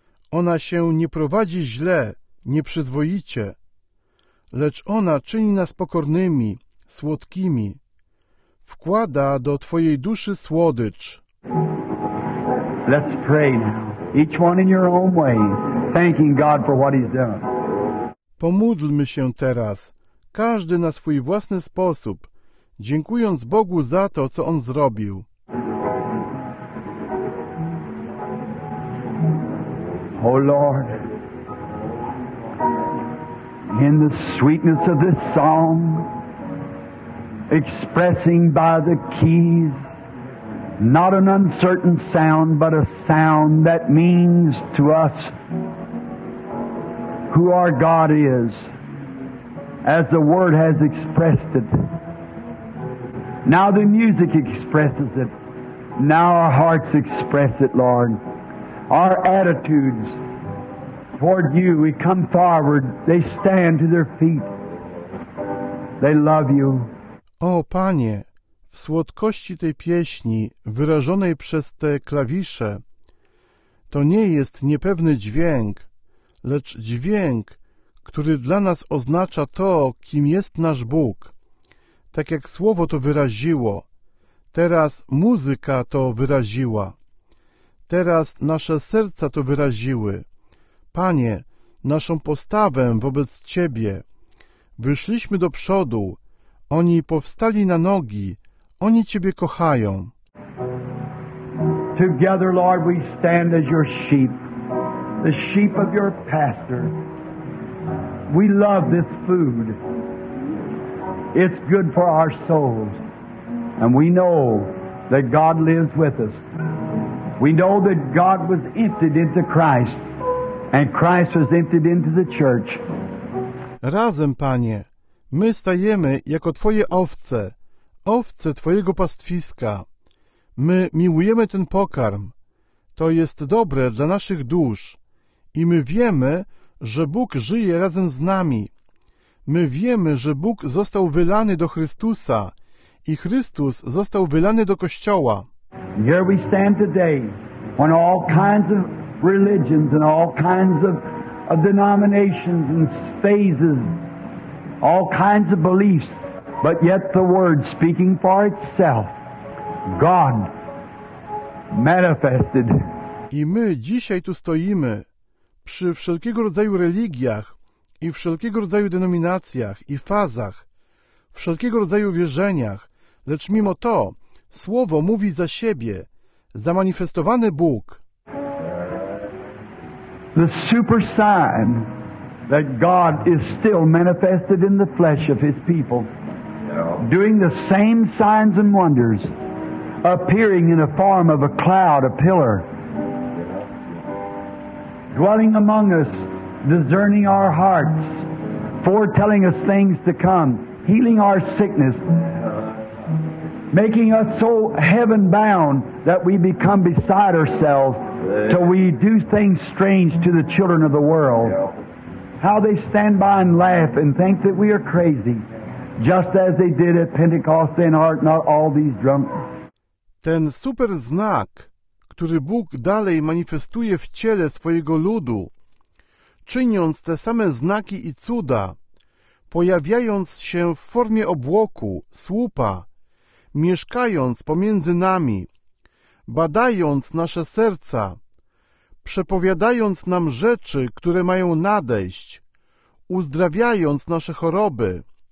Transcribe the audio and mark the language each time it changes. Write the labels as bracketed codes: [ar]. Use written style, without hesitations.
[pl] Ona się nie prowadzi źle, nieprzyzwoicie. Lecz ona czyni nas pokornymi, słodkimi. Wkłada do twojej duszy słodycz. [en] Let's pray now. Each one in your own way, thanking God for what he's done. [pl] Pomódlmy się teraz, każdy na swój własny sposób, dziękując Bogu za to, co on zrobił. [en] O Lord, in the sweetness of this song, expressing by the keys, not an uncertain sound, but a sound that means to us who our God is, as the Word has expressed it. Now the music expresses it. Now our hearts express it, Lord. Our attitudes toward you, we come forward, they stand to their feet. They love you. [pl] O Panie, w słodkości tej pieśni, wyrażonej przez te klawisze, to nie jest niepewny dźwięk, lecz dźwięk, który dla nas oznacza to, kim jest nasz Bóg. Tak jak słowo to wyraziło, teraz muzyka to wyraziła, teraz nasze serca to wyraziły. Panie, naszą postawę wobec Ciebie. Wyszliśmy do przodu, oni powstali na nogi, oni Ciebie kochają. [en] Together, Lord, we stand as your sheep, the sheep of your pastor. We love this food. It's good for our souls. And we know that God lives with us. We know that God was emptied into Christ, and Christ was emptied into the church. [pl] Razem, Panie, my stajemy jako Twoje owce, owce Twojego pastwiska. My miłujemy ten pokarm. To jest dobre dla naszych dusz. I my wiemy, że Bóg żyje razem z nami. My wiemy, że Bóg został wylany do Chrystusa i Chrystus został wylany do Kościoła. [en] Here we stand today when all kinds of religions and all kinds of denominations and phases, all kinds of beliefs, but yet the Word speaking for itself, God manifested. [pl] I my dzisiaj tu stoimy przy wszelkiego rodzaju religiach i wszelkiego rodzaju denominacjach i fazach, wszelkiego rodzaju wierzeniach, lecz mimo to Słowo mówi za siebie, zamanifestowany Bóg. [en] The super sign that God is still manifested in the flesh of his people. Doing the same signs and wonders, appearing in the form of a cloud, a pillar, dwelling among us, discerning our hearts, foretelling us things to come, healing our sickness, making us so heaven-bound that we become beside ourselves till we do things strange to the children of the world. how they stand by and laugh and think that we are crazy, just as they did at Pentecost and are not all these drunk. [pl] Ten super znak, który Bóg dalej manifestuje w ciele swojego ludu, czyniąc te same znaki i cuda, pojawiając się w formie obłoku, słupa, mieszkając pomiędzy nami, badając nasze serca, przepowiadając nam rzeczy, które mają nadejść, uzdrawiając nasze choroby,